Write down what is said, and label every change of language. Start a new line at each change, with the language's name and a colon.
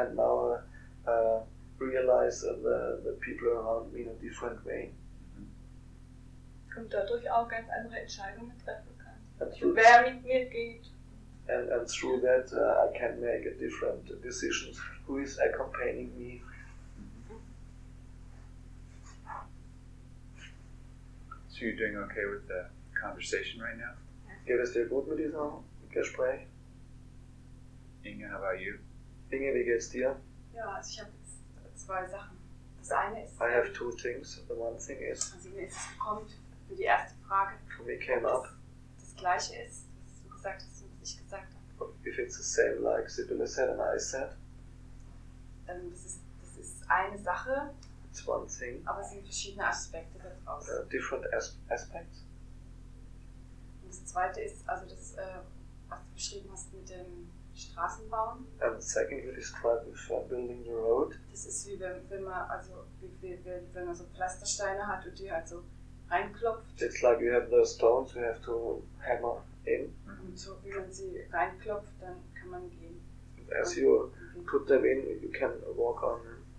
English: And now realize the people around me in a different way.
German: Und dadurch auch ganz andere Entscheidungen treffen kann. Wer mit mir geht.
English: And through that I can make a different decision. Who is accompanying me? So you're doing okay with the conversation right now?
German: Geht es dir gut mit diesem Gespräch?
English: Inge, how about you?
German: Inge, wie geht's dir? Ja, also ich habe jetzt zwei Sachen. Das eine ist...
English: I have two things. The one thing is...
German: Also Inge, es kommt für die erste Frage.
English: For me came up.
German: Das gleiche ist, was du gesagt hast und was ich gesagt habe.
English: If it's the same like Sibylle said and I said?
German: Das ist eine Sache.
English: It's one thing.
German: Aber es sind verschiedene Aspekte da draußen.
English: Different aspects.
German: Und das zweite ist, also das, was du beschrieben hast mit dem... Straßen bauen.
English: And second, you described before building the road.
German: Das ist wie wenn man so Pflastersteine hat und die halt so reinklopft.
English: It's like you have the stones, you have to hammer in.
German: Und so wie man sie reinklopft, dann kann man gehen.
English: And as you put them in, you can walk on them.